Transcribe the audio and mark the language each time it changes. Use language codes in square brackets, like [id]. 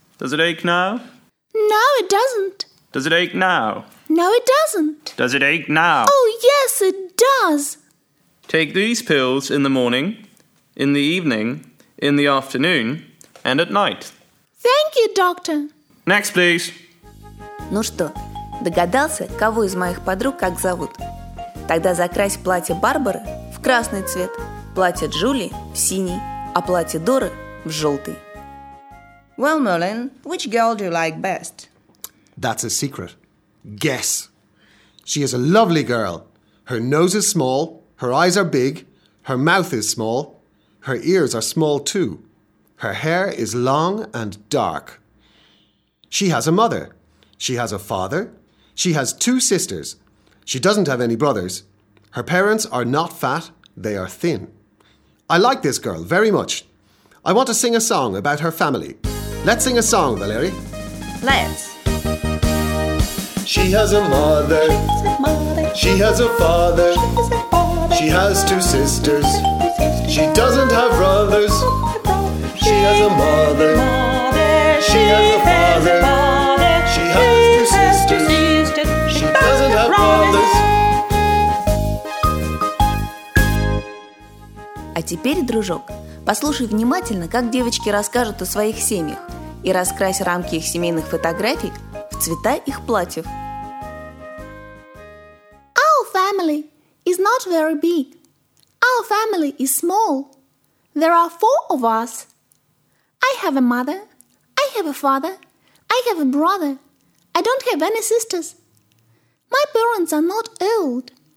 [en] Does it ache now? No, it doesn't. Does it ache now? No, it doesn't. Does it ache now? Oh, yes, it does. Take these pills in the morning, in the evening, in the afternoon, and at night. Thank you, doctor. Next, please. [ru] Ну что, догадался, кого из моих подруг как зовут? Тогда закрась платье Барбары в красный цвет, платье Джули в синий, а платье Доры в желтый. [en] Well, Merlin, which girl do you like best? That's a secret. Guess. She is a lovely girl. Her nose is small, her eyes are big, her mouth is small, her ears are small too. Her hair is long and dark. She has a mother. She has a father. She has two sisters. She doesn't have any brothers. Her parents are not fat, they are thin. I like this girl very much. I want to sing a song about her family. Let's sing a song, Valerie. Let's. She has a mother. She has a father. She has two sisters. She doesn't have brothers. She has a mother. She has a father. She has two sisters. She doesn't have brothers. [ru] А теперь, дружок, послушай внимательно, как девочки расскажут о своих семьях, и раскрась рамки их семейных фотографий в цвета их платьев. [en] Our family is not very big. Our family is small. There are four of us. I have a mother. I have a father. I have a brother. I don't have any sisters. My parents are not old.